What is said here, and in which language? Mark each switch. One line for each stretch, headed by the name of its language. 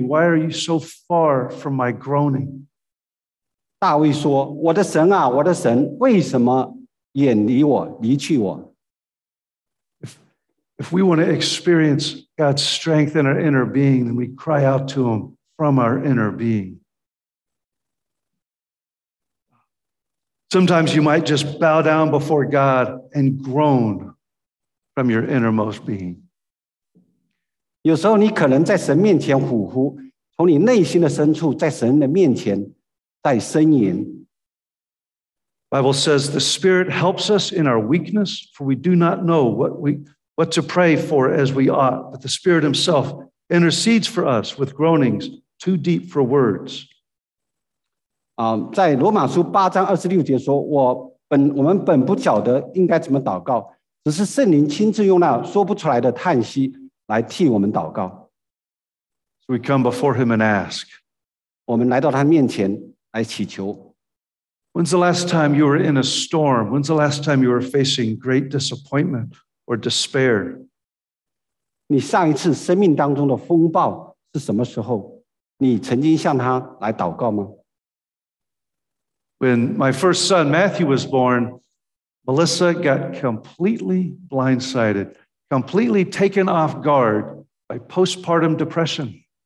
English: Why are you so far from my groaning?
Chinese: 大卫说，我的神啊，我的神，为什么远离我，离去我？
English: If we want to experience God's strength in our inner being, then we cry out to Him from our inner being. Sometimes you might just bow down before God and groan from your innermost being.
Chinese: 有时候你可能在神面前呼呼，从你内心的深处在神的面前在呻吟。
English: Bible says the Spirit helps us in our weakness, for we do not know what to pray for as we ought, but the Spirit Himself intercedes for us with groanings too deep for words.
Chinese: 在罗马书八章二十六节说，我们本不晓得应该怎么祷告，只是圣灵亲自用那说不出来的叹息来替我们祷告。
English: So we come before Him and ask.
Chinese: 我们来到他面前来祈求。
English: When's the last time you were in a storm? When's the last time you were facing great disappointment or despair?
Chinese: 你上一次生命当中的风暴是什么时候？你曾经向他来祷告吗？
English: When my first son Matthew was born, Melissa got completely blindsided. Completely taken off guard by postpartum depression.